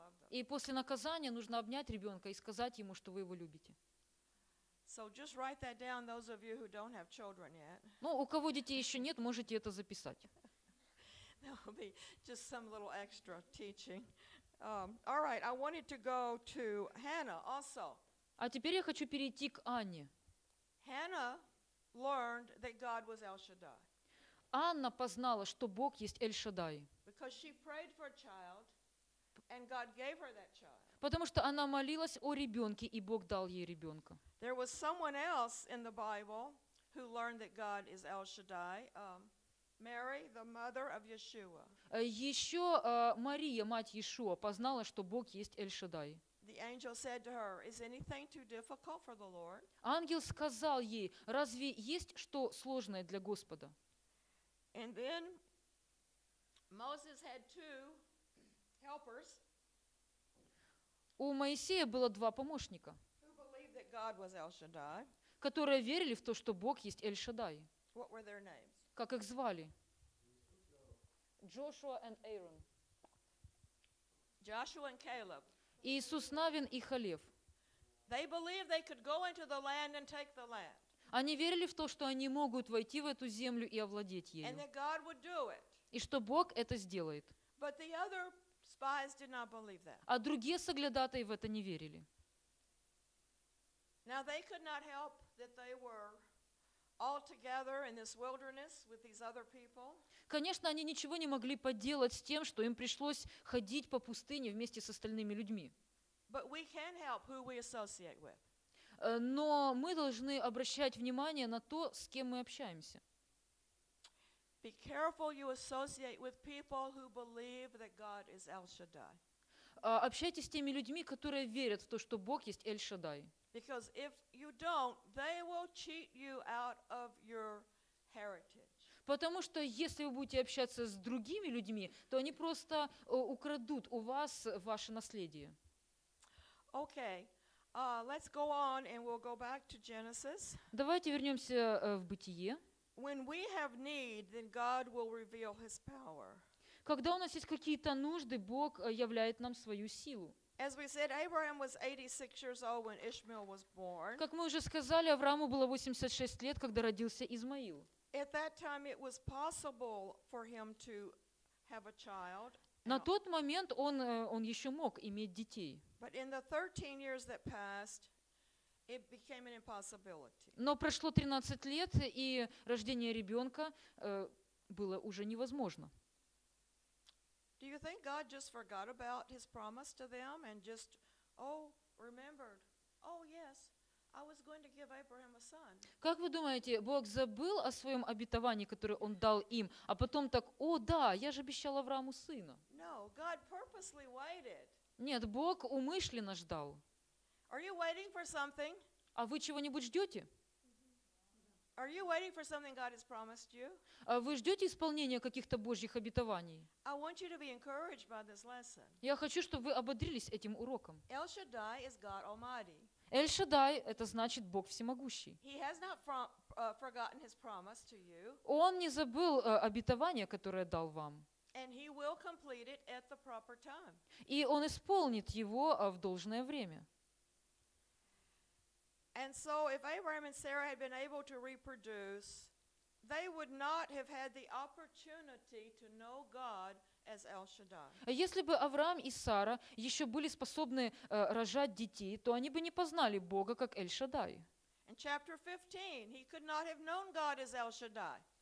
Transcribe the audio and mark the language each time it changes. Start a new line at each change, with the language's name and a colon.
Russian: И после наказания нужно обнять ребенка и сказать ему, что вы его любите.
English: So just write that down, those of you who don't have children yet.
Russian: Ну, у кого детей еще нет, можете это записать.
English: That will be just some little extra teaching. All right, I wanted to go to Hannah also.
Russian: А теперь я хочу перейти к Анне.
English: Hannah learned that God was El Shaddai.
Russian: Анна познала, что Бог есть Эль-Шаддай.
English: Because she prayed for a child, and God gave her that child.
Russian: Потому что она молилась о ребенке, и Бог дал ей ребенка.
English: There was someone else in the Bible who learned that God is El Shaddai, Mary, the mother of Yeshua.
Russian: Еще Мария, мать Иешуа, познала, что Бог есть Эль-Шаддай.
English: The angel said to her, "Is anything too difficult for the Lord?"
Russian: Ангел сказал ей, разве есть что сложное для Господа?
English: And then Moses had two helpers.
Russian: У Моисея было два помощника.
English: God was El Shaddai.
Russian: Которые верили в то, что Бог есть Эль-Шаддай.
English: What were their names?
Russian: Как их звали?
English: Joshua and Aaron. Joshua and Caleb.
Russian: Иисус Навин и Халев.
English: They believed they could go into the land and take the land.
Russian: Они верили в то, что они могут войти в эту землю и овладеть ею.
English: And that God would do it.
Russian: И что Бог это сделает.
English: But the other spies did not believe that.
Russian: А другие соглядатаи в это не верили.
English: Now they could not help that they were all together in this wilderness with these other people.
Russian: Конечно, они ничего не могли поделать с тем, что им пришлось ходить по пустыне вместе с остальными людьми.
English: But we can help who we associate with.
Russian: Но мы должны обращать внимание на то, с кем мы общаемся.
English: Be careful you associate with people who believe that God is El Shaddai.
Russian: Общайтесь с теми людьми, которые верят в то, что Бог есть Эль-Шаддай.
English: Because if you don't, they will cheat you out of your heritage.
Russian: Потому что если вы будете общаться с другими людьми, то они просто украдут у вас ваше наследие.
English: Okay, let's go on and we'll go back to Genesis.
Russian: Давайте вернемся в Бытие.
English: When we have need, then God will reveal His power.
Russian: Когда у нас есть какие-то нужды, Бог являет нам свою силу.
English: As we said, Abraham was 86 years old when Ishmael was born.
Russian: Как мы уже сказали, Аврааму было 86 лет, когда родился Измаил.
English: At that time, it was possible for him to have a child.
Russian: На тот момент он еще мог иметь детей.
English: But in the 13 years that passed, it became an impossibility.
Russian: Но прошло 13 лет, и рождение ребенка было уже невозможно.
English: Do you think God just forgot about His promise to them and just, oh, remembered? Oh, yes, I was going to give Abraham a son.
Russian: Как вы думаете, Бог забыл о своем обетовании, которое Он дал им, а потом так, о, да, я же обещал Аврааму сына?
English: No, God purposely waited.
Russian: Нет, Бог умышленно ждал.
English: Are you waiting for something?
Russian: А вы чего-нибудь ждете?
English: Are you waiting for something God has promised you?
Russian: Вы ждете исполнения каких-то Божьих обетований?
English: I want you to be encouraged by this lesson.
Russian: Я хочу, чтобы вы ободрились этим уроком.
English: El Shaddai is God Almighty.
Russian: El Shaddai – это значит Бог Всемогущий.
English: He has not forgotten His promise to you.
Russian: Он не забыл обетование, которое дал вам.
English: And He will complete it at the proper time.
Russian: И Он исполнит его в должное время.
English: And so if Abraham and Sarah had been able to reproduce, they would not have had the opportunity to know God as El Shaddai.
Russian: Если бы Авраам и Сара еще были способны рожать детей, то они бы не познали Бога как Эль-Шаддай.
English: In chapter 15, he could not have known God as El Shaddai.